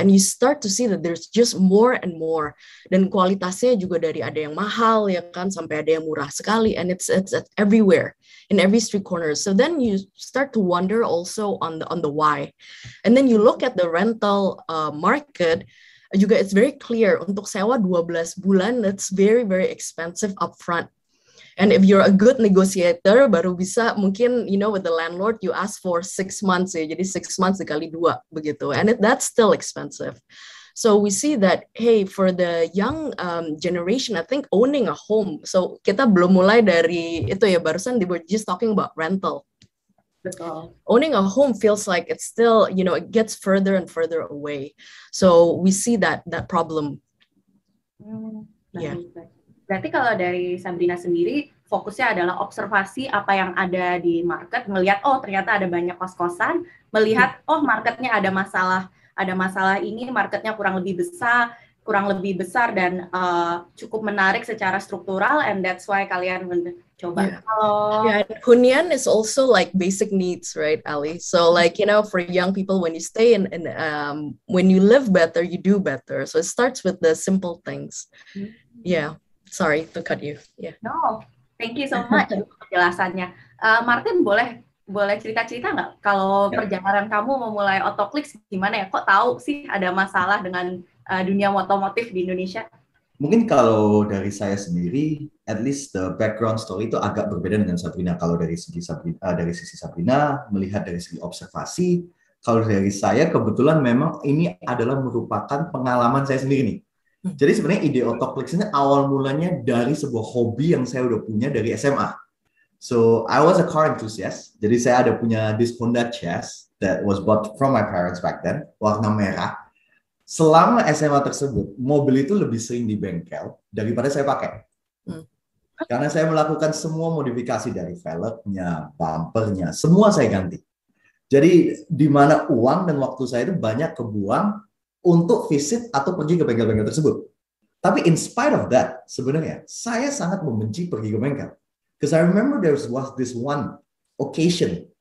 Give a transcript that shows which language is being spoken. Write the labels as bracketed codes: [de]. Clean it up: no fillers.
[en] And you start to see that there's just more and more. [id] Dan kualitasnya juga dari ada yang mahal, ya kan, sampai ada yang murah sekali. [en] And it's everywhere, in every street corner. So then you start to wonder also on the why. And then you look at the rental market, juga it's very clear, [id] untuk sewa 12 bulan, [en] it's very, very expensive upfront. And if you're a good negotiator, [id] baru bisa mungkin, [en] you know, with the landlord, you ask for 6 months, ya, jadi 6 months [id] dikali dua, begitu. [en] And that's still expensive. So we see that, hey, for the young generation, I think owning a home, [id] so kita belum mulai dari itu ya, barusan [en] they were just talking about rental. [id] Betul. [en] Owning a home feels like it's still, you know, it gets further and further away. So we see that problem. Yeah. [id] Berarti kalau dari Sabrina sendiri, fokusnya adalah observasi apa yang ada di market, melihat, oh ternyata ada banyak kos-kosan, melihat, oh marketnya ada masalah ini, marketnya kurang lebih besar, dan cukup menarik secara struktural, [en] and that's why [id] kalian mencoba. [en] Yeah, hunian is also like basic needs, right, Ali? So like, you know, for young people, when you stay in, when you live better, you do better. So it starts with the simple things. Yeah. Sorry to cut you. Yeah. No, thank you so much [id] penjelasannya. Martin, boleh cerita nggak kalau perjalanan kamu memulai Autoclicks gimana ya? Kok tahu sih ada masalah dengan dunia otomotif di Indonesia? Mungkin kalau dari saya sendiri, [en] at least the background story [id] itu agak berbeda dengan Sabrina. Kalau dari sisi Sabrina melihat dari segi observasi, kalau dari saya kebetulan memang ini adalah merupakan pengalaman saya sendiri nih. Jadi sebenarnya ide Autoclicks ini awal mulanya dari sebuah hobi yang saya udah punya dari SMA. [en] So, I was a car enthusiast. [id] Jadi saya ada punya [en] this Honda Jazz that was bought from my parents back then, [id] warna merah. Selama SMA tersebut, mobil itu lebih sering di bengkel daripada saya pakai. Karena saya melakukan semua modifikasi dari velgnya, bumpernya, semua saya ganti. Jadi di mana uang dan waktu saya itu banyak kebuang untuk visit atau pergi ke bengkel-bengkel tersebut. Tapi [en] in spite of that, [id] sebenarnya saya sangat membenci pergi ke bengkel. [en] Because I remember there was this one occasion.